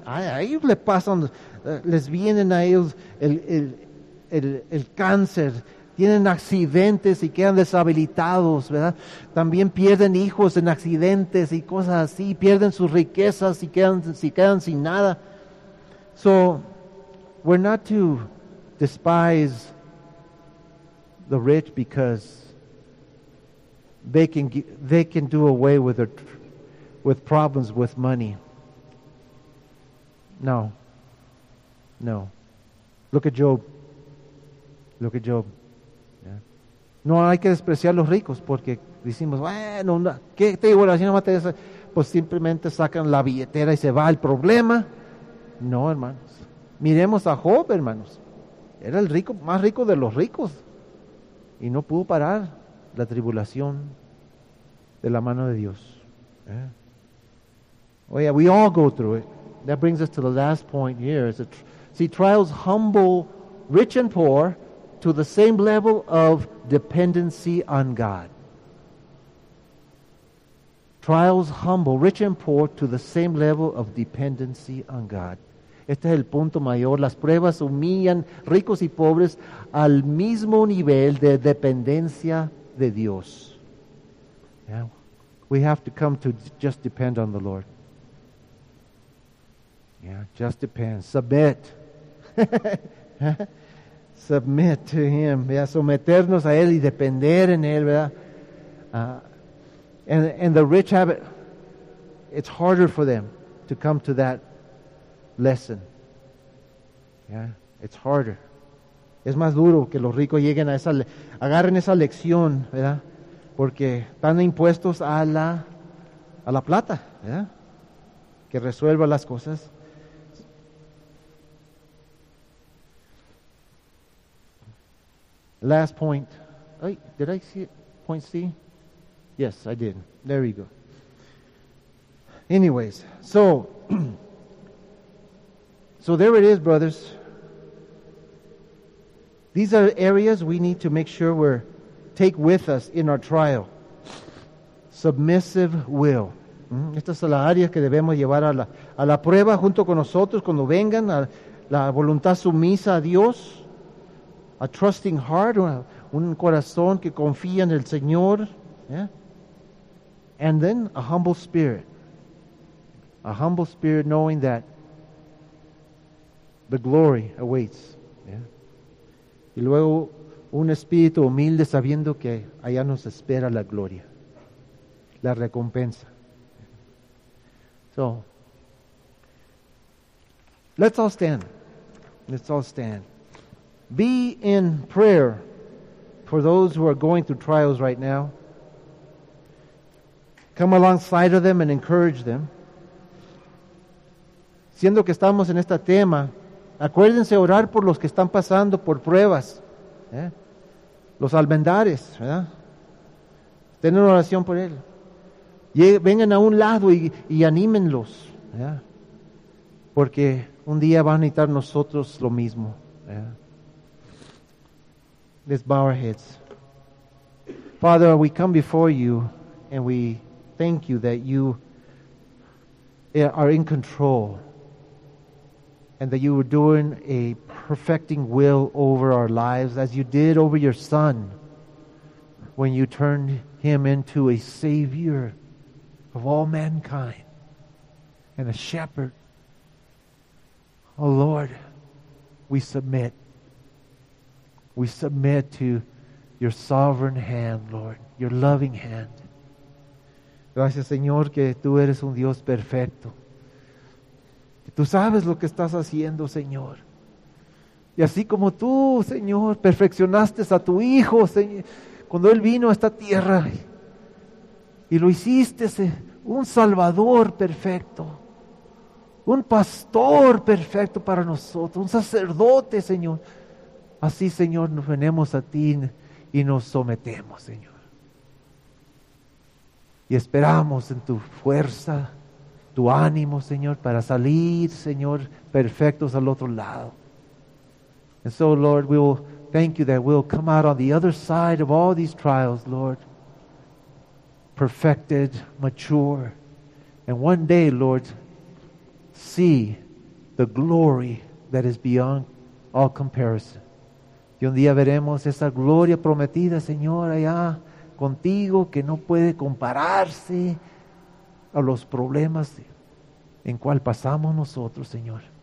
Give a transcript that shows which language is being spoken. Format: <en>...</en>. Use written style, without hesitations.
<es>A ellos les pasan, les vienen a ellos el cáncer. Tienen accidentes y quedan deshabilitados, ¿verdad? También pierden hijos en accidentes y cosas así. Pierden sus riquezas y quedan sin nada.</es> <en>So, we're not to despise the rich because they can do away with their problems with money. No. No. Look at Job. Yeah.</en> <es>No hay que despreciar los ricos porque decimos, bueno, ¿qué te digo? Así no mates, pues simplemente sacan la billetera y se va el problema. No, hermanos. Miremos a Job, hermanos. Era el rico, más rico de los ricos. Y no pudo parar la tribulación de la mano de Dios.</es> <en>Yeah. Oh, yeah, we all go through it. That brings us to the last point here. Trials humble rich and poor to the same level of dependency on God. Trials humble rich and poor to the same level of dependency on God.</en> <es>Este es el punto mayor. Las pruebas humillan ricos y pobres al mismo nivel de dependencia de Dios.</es> <en>Yeah. We have to come to just depend on the Lord. Yeah, just depend. Submit. Submit to Him.</en> <es>Yeah, someternos a Él y depender en Él, ¿verdad?</es> <en>And the rich have it. It's harder for them to come to that lesson. Yeah, it's harder.</en> <es>Es más duro que los ricos lleguen a esa, agarren esa lección, ¿verdad? Porque están impuestos a la plata, ¿verdad? Que resuelva las cosas.</es> <en>Last point. Oh, did I see it? Point C? Yes, I did. There you go. Anyways, so there it is, brothers. These are areas we need to make sure we take with us in our trial. Submissive will.</en> <es>Estas son las áreas que debemos llevar a la prueba junto con nosotros cuando vengan, a la voluntad sumisa a Dios.</es> <en>A trusting heart,</en> <es>un corazón que confía en el Señor. Yeah?</es> <en>And then a humble spirit. A humble spirit, knowing that the glory awaits. Yeah.</en> <es>Y luego un espíritu humilde, sabiendo que allá nos espera la gloria, la recompensa.</es> <en>So, let's all stand. Let's all stand. Be in prayer for those who are going through trials right now. Come alongside of them and encourage them.</en> <es>Siendo que estamos en este tema, acuérdense orar por los que están pasando por pruebas. ¿Eh? Los almendares, ¿verdad? Tener oración por él. Vengan a un lado y anímenlos. ¿Eh? Porque un día van a necesitar nosotros lo mismo. ¿Eh?</es> <en>Let's bow our heads. Father, we come before you and we thank you that you are in control and that you were doing a perfecting will over our lives as you did over your son when you turned him into a savior of all mankind and a shepherd. Oh Lord, we submit. We submit to your sovereign hand, Lord, your loving hand.</en> <es>Gracias, Señor, que tú eres un Dios perfecto. Que tú sabes lo que estás haciendo, Señor. Y así como tú, Señor, perfeccionaste a tu Hijo, Señor, cuando Él vino a esta tierra y lo hiciste un Salvador perfecto, un pastor perfecto para nosotros, un sacerdote, Señor. Así, Señor, nos venimos a ti y nos sometemos, Señor. Y esperamos en tu fuerza, tu ánimo, Señor, para salir, Señor, perfectos al otro lado.</es> <en>And so, Lord, we will thank you that we'll come out on the other side of all these trials, Lord, perfected, mature, and one day, Lord, see the glory that is beyond all comparison.</en> <es>Y un día veremos esa gloria prometida, Señor, allá contigo, que no puede compararse a los problemas en cual pasamos nosotros, Señor.</es>